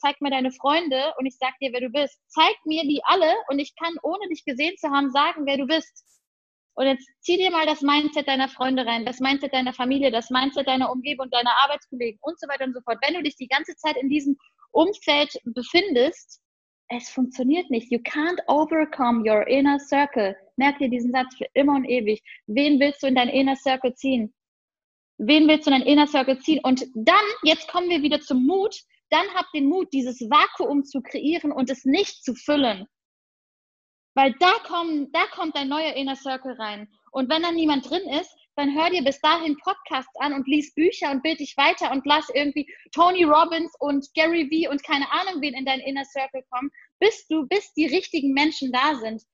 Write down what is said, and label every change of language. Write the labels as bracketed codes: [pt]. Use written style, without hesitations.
[de] Zeig mir deine Freunde und ich sag dir, wer du bist. Zeig mir die alle und ich kann, ohne dich gesehen zu haben, sagen, wer du bist. Und jetzt zieh dir mal das Mindset deiner Freunde rein, das Mindset deiner Familie, das Mindset deiner Umgebung, deiner Arbeitskollegen und so weiter und so fort. Wenn du dich die ganze Zeit in diesem Umfeld befindest, es funktioniert nicht. [en] You can't overcome your inner circle. [de] Merk dir diesen Satz für immer und ewig. Wen willst du in dein inner circle ziehen? Wen willst du in dein inner circle ziehen? Und dann, jetzt kommen wir wieder zum Mut, dann hab den Mut, dieses Vakuum zu kreieren und es nicht zu füllen. Weil da kommt dein neuer Inner Circle rein. Und wenn da niemand drin ist, dann hör dir bis dahin Podcasts an und lies Bücher und bild dich weiter und lass irgendwie Tony Robbins und Gary Vee und keine Ahnung wen in deinen Inner Circle kommen, bis die richtigen Menschen da sind.